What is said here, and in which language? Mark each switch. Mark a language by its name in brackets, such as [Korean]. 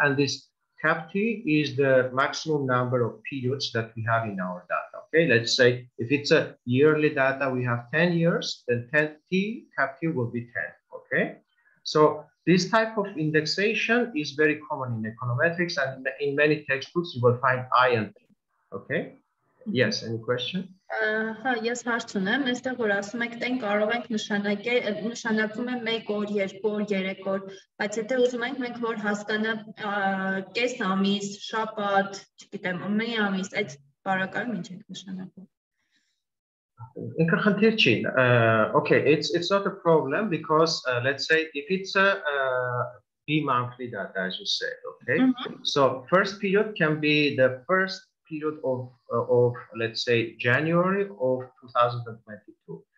[English] And this cap T is the maximum number of periods that we have in our data, okay? Let's say if it's a yearly data, we have 10 years, then 10 T, cap T will be 10, okay? So this type of indexation is very common in econometrics, and in many textbooks you will find I and T. Okay? Yes, any question? [Armenian] Yes, հարցն եմ, այստեղ որ ասում եք, տեն կարող ենք նշանակում եմ 1 օր, 2 օր, 3 օր, բայց եթե ուզում ենք մենք որ հասկանա կես ամիս, շաբաթ, չգիտեմ, մի ամիս, այդ բարակարգ ինչ ենք նշանակում։ [English] Okay, it's not a problem because let's say if it's a bi-monthly data, as you said, okay? Mm-hmm. So first period can be the first period of let's say, January of 2022.